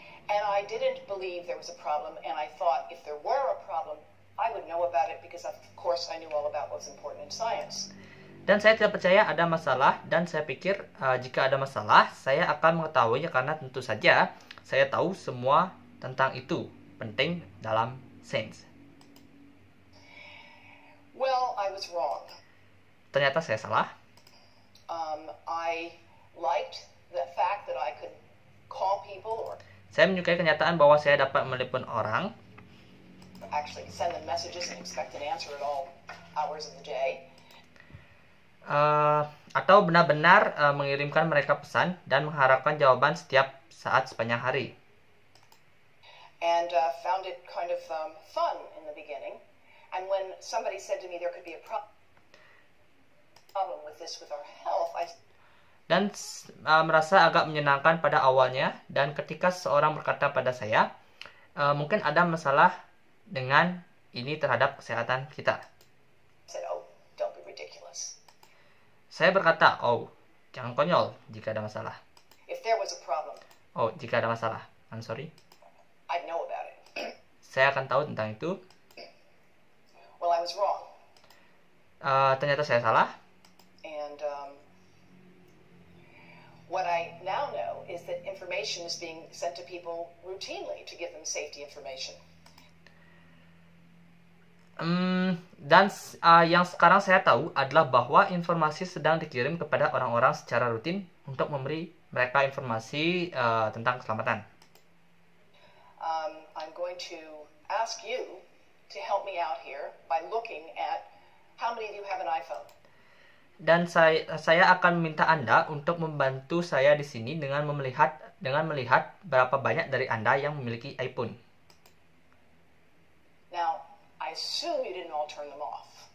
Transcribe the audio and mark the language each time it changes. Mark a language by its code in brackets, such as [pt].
[en] And I didn't believe there was a problem, and I thought if there were a problem, I would know about it because of course I knew all about what's important in science. [id] Dan saya tidak percaya ada masalah, dan saya pikir jika ada masalah, saya akan mengetahuinya karena tentu saja saya tahu semua tentang itu, penting dalam sains. [en] Well, I was wrong. [id] Ternyata saya salah. [en] I liked the fact that I could call people or. [id] Saya menyukai kenyataan bahwa saya dapat menelpon orang. [en] Actually, send them messages and expect an answer at all hours of the day. [id] Atau benar-benar mengirimkan mereka pesan dan mengharapkan jawaban setiap saat sepanjang hari. [en] And found it kind of fun in the beginning. And when somebody said to me there could be a problem with this with our health, I. [id] Dan merasa agak menyenangkan pada awalnya, dan ketika seseorang berkata pada saya, mungkin ada masalah dengan ini terhadap kesehatan kita. [en] Said, oh, don't be ridiculous. [id] Saya berkata, oh, jangan konyol jika ada masalah. [en] If there was a problem, [id] oh, jika ada masalah, [en] I'm sorry. I'd know about it. [id] Saya akan tahu tentang itu. [en] Well, I was wrong. [id] Ternyata saya salah. [en] And what I now know is that information is being sent to people routinely to give them safety information. [id] Yang sekarang saya tahu adalah bahwa informasi sedang dikirim kepada orang-orang secara rutin untuk memberi mereka informasi tentang keselamatan. [en] I'm going to ask you to help me out here by looking at how many of you have an iPhone. [id] Dan saya akan meminta Anda untuk membantu saya di sini dengan melihat berapa banyak dari Anda yang memiliki iPhone. [en] Now, I assume you didn't all turn them off.